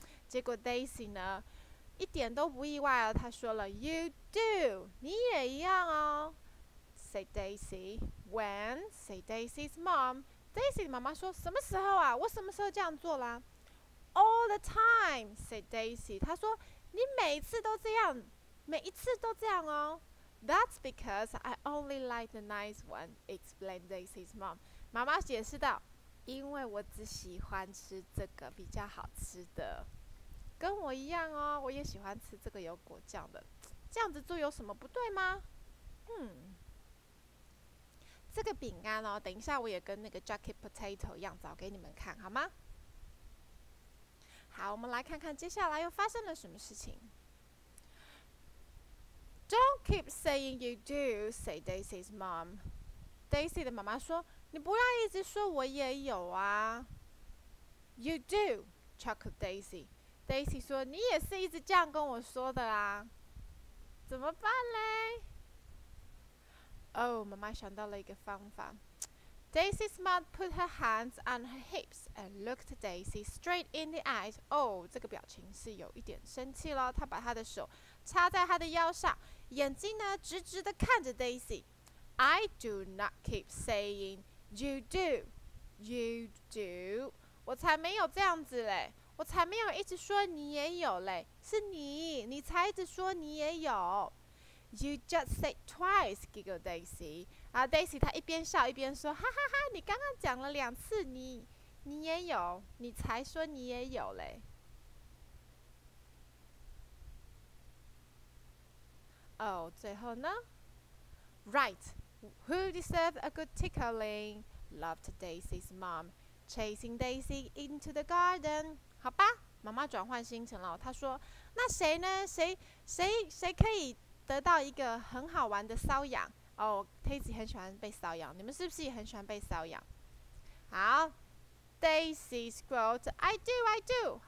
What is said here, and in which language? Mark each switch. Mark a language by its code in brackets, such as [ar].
[zh] 结果 Daisy 呢一点都不意外了，他说了 [en] You do, [zh] 你也一样哦 [en] said Daisy. When, said Daisy's mom. [zh] Daisy 妈妈说什么时候啊，我什么时候这样做啦？ [en] All the time, said Daisy. [zh] 他说你每次都这样，每一次都这样哦。 [en] That's because I only like the nice one, explained Daisy's mom. [zh] 妈妈解释道，因为我只喜欢吃这个比较好吃的，跟我一样哦，我也喜欢吃这个有果酱的，这样子做有什么不对吗？这个饼干哦，等一下我也跟那个 jacket potato 一样找给你们看好吗？好，我们来看看接下来又发生了什么事情。 [en] Don't keep saying you do, say Daisy's mom. [zh] Daisy 的妈妈说你不要一直说我也有啊。 [en] You do, chuckled DaisyDaisy [zh] 说你也是一直这样跟我说的啦，怎么办嘞？哦，妈妈想到了一个方法。 [en] Daisy's mom put her hands on her hips and looked Daisy straight in the eyes. [zh] 哦，这个表情是有一点生气了，她把她的手插在她的腰上，眼睛呢直直地看着 Daisy. [en] I do not keep saying you do, you do. [zh] 我才没有这样子嘞，我才没有一直说你也有嘞，是你，你才一直说你也有。 [en] You just said twice, giggled Daisy. [zh] 啊 ，Daisy 她一边笑一边说，哈哈哈，你刚刚讲了两次，你也有，你才说你也有嘞。哦，最后呢 [en] ？Right, who deserves a good tickling? Laughed Daisy's mom, chasing Daisy into the garden. [zh] 好吧，妈妈转换心情了，她说那谁呢，谁可以得到一个很好玩的搔痒哦。 Daisy 很喜欢被搔痒，你们是不是也很喜欢被搔痒？好， [en] Daisy Scrolls. I do, I do.